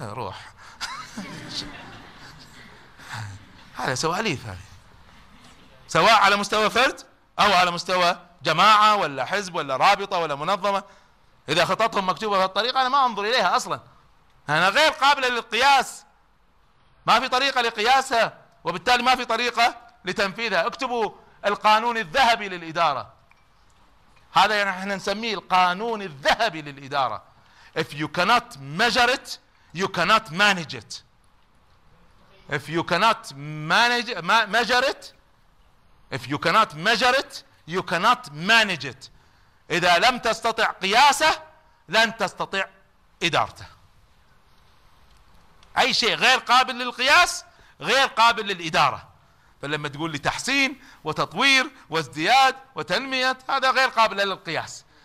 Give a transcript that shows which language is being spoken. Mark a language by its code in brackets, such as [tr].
[ar] روح هذا سواليف، سواء على مستوى فرد أو على مستوى جماعة ولا حزب ولا رابطة ولا منظمة، إذا خططهم مكتوبة في الطريقة أنا ما أنظر إليها أصلا، أنا غير قابلة للقياس، ما في طريقة لقياسها، وبالتالي ما في طريقة لتنفيذها. اكتبوا القانون الذهبي للإدارة، هذا يعني احنا نسميه القانون الذهبي للإدارة، [en] If you cannot measure it, you cannot manage it. If you cannot measure it, if you cannot measure it, you cannot manage it. [ar] إذا لم تستطع قياسه لن تستطيع إدارته. أي شيء غير قابل للقياس غير قابل للإدارة. فلما تقول لي تحسين وتطوير وازدياد وتنمية هذا غير قابل للقياس.